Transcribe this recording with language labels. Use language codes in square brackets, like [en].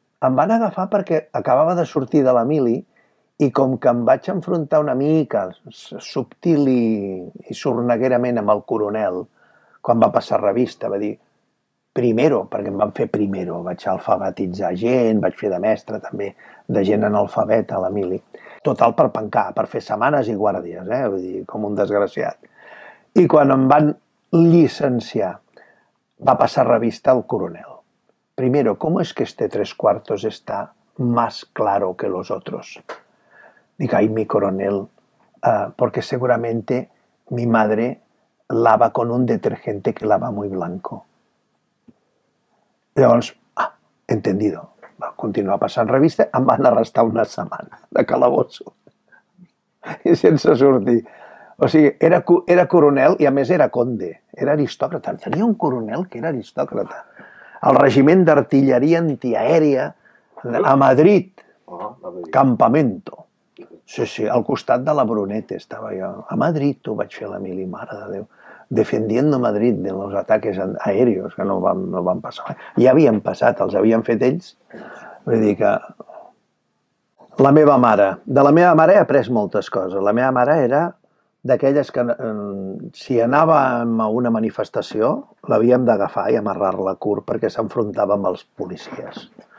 [ca] Em van agafar perquè acabava de sortir de l'emili i com que em vaig enfrontar una mica subtil i sorneguerament amb el coronel quan va passar revista, va dir primero, perquè em van fer primero, vaig alfabetitzar gent, vaig fer de mestre també, de gent analfabeta a l'emili, total per pencar, per fer setmanes i guàrdies, vull dir, com un desgraciat. I quan em van llicenciar, va passar revista el coronel. [es] Primero, ¿cómo es que este tres cuartos está más claro que los otros? [ca] Dic, [es] ay, mi coronel, porque seguramente mi madre lava con un detergente que lava muy blanco. [ca] Llavors, [es] entendido, [ca] va continuar passant revista, em van arrestar una setmana de calabosso. I sense sortir. O sigui, era coronel i a més era conde, era aristòcrata. Tenia un coronel que era aristòcrata. El regiment d'artilleria antiaèria a Madrid. Campamento. Sí, sí, al costat de la Brunete estava jo. A Madrid ho vaig fer la mili, mare de Déu. [es] Defendiendo Madrid de los ataques aéreos, [ca] que no van passar. Ja havien passat, els havien fet ells. Vull dir que... La meva mare. De la meva mare he après moltes coses. La meva mare era d'aquelles que, si anàvem a una manifestació, l'havíem d'agafar i amarrar-la curt perquè s'enfrontava amb els policies.